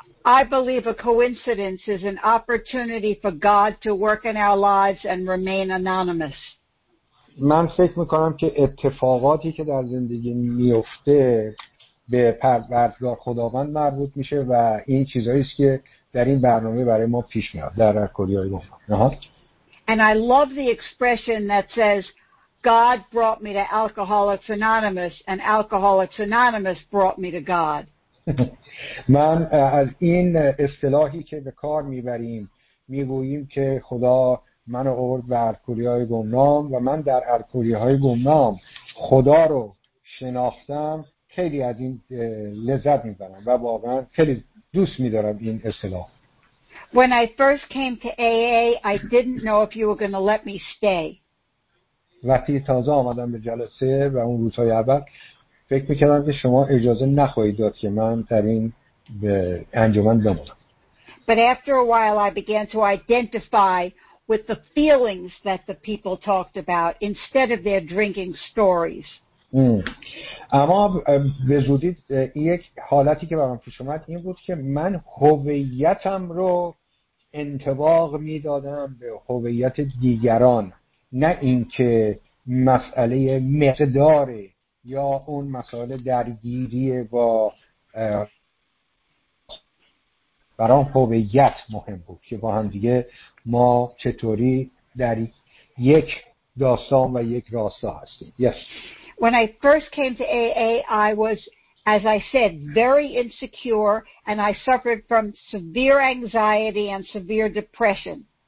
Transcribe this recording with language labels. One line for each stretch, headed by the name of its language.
English: I believe a coincidence is an opportunity for God to work in our lives and remain anonymous.
Persian: من فکر میکنم که اتفاقاتی که در زندگی میفته به پروردگار خداوند مربوط میشه و این چیزایی است که در این برنامه برای ما پیش میاد در کلیه ما.
English: And I love the expression that says God brought me to Alcoholics Anonymous and Alcoholics Anonymous brought me to God.
Persian: من از این اصطلاحی که به کار میبریم میگوییم که خدا من آورد به ارکوری‌های گمنام و من در ارکوری‌های گمنام خدا رو شناختم، خیلی از این لذت می‌برم و واقعا خیلی دوست می‌دارم این اصطلاح.
English: When I first came to AA, I didn't know if you were going to let me stay.
Persian: وقتی تازه آمدم به جلسه و اون روزهای اول فکر می‌کردم که شما اجازه نخواهید داد که من در این انجمن بمونم.
English: But after a while I began to identify with the feelings that the people talked about instead of their drinking stories.
Persian: اما به زودی یک حالتی که برام پیش اومد این بود که من هویتم رو انطباق میدادم به هویت دیگران، نه اینکه مسئله مقدار یا اون مسئله درگیری با برام هویت مهم بود که با هم دیگه ما چطوری در یک داستان و یک راستا هستیم.
English: Yes. When I first came to AA, I was, as I said, very insecure, and I suffered from severe anxiety and severe depression.